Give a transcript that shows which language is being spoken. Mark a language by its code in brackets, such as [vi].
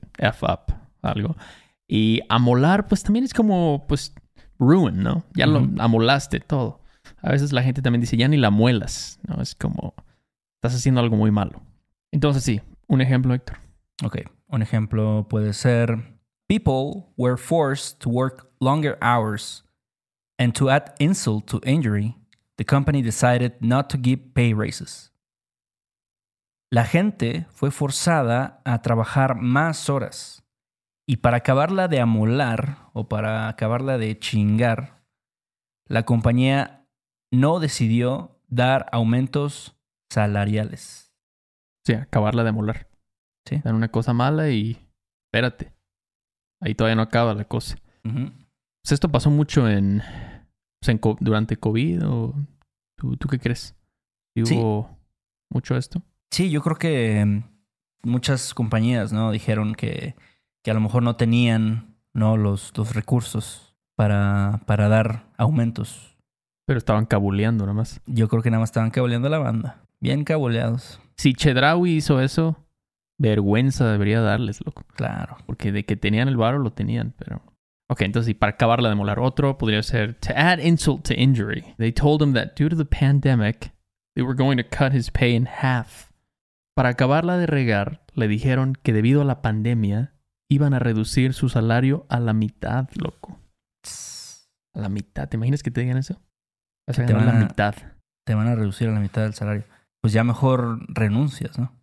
[en] F up, [es] algo. Y amolar, pues también es como, pues, ruin, ¿no? Ya uh-huh. lo amolaste todo. A veces la gente también dice, ya ni la muelas, ¿no? Es como, estás haciendo algo muy malo. Entonces, sí, un ejemplo, Héctor. Ok, un ejemplo puede ser... [en] People were forced to work longer hours, and to add insult to injury, the company decided not to give pay raises. [es] La gente fue forzada a trabajar más horas, y para acabarla de amolar, o para acabarla de chingar, la compañía no decidió dar aumentos salariales. Sí, acabarla de amolar. Sí. Dan una cosa mala y espérate. Ahí todavía no acaba la cosa. Uh-huh. Esto pasó mucho durante COVID, ¿o tú qué crees? ¿Hubo mucho esto? Sí, yo creo que muchas compañías, ¿no? Dijeron que a lo mejor no tenían, ¿no? Los recursos para dar aumentos. Pero estaban cabuleando nada más. Yo creo que nada más estaban cabuleando a la banda. Bien cabuleados. Si Chedraui hizo eso, vergüenza debería darles, loco. Claro. Porque de que tenían el varo, lo tenían, pero... Ok, entonces, y para acabarla de molar otro, podría ser... [en] To add insult to injury, they told him that due to the pandemic, they were going to cut his pay in half. [es] Para acabarla de regar, le dijeron que debido a la pandemia, iban a reducir su salario a la mitad, loco. A la mitad. ¿Te imaginas que te digan eso? Te van a reducir a la mitad del salario. Pues ya mejor renuncias, ¿no?